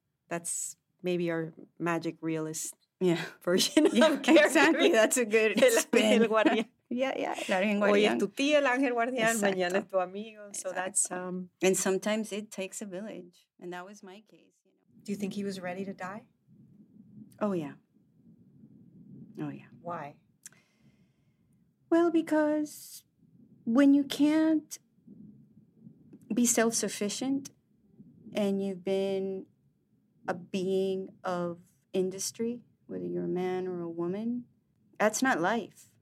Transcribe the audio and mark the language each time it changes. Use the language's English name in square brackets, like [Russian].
[English] That's maybe our magic realist version of caregiving. Exactly, that's a good spin. [Spanish] El ángel guardián. [English] Yeah, yeah. [Spanish] El ángel guardián. Hoy es tu tía el ángel guardián, mañana es tu amigo. Exacto. [English] So that's... And sometimes it takes a village, and that was my case. You know. Do you think he was ready to die? Oh, yeah. Oh, yeah. Why? Well, because when you can't be self-sufficient and you've been a being of industry, whether you're a man or a woman, that's not life.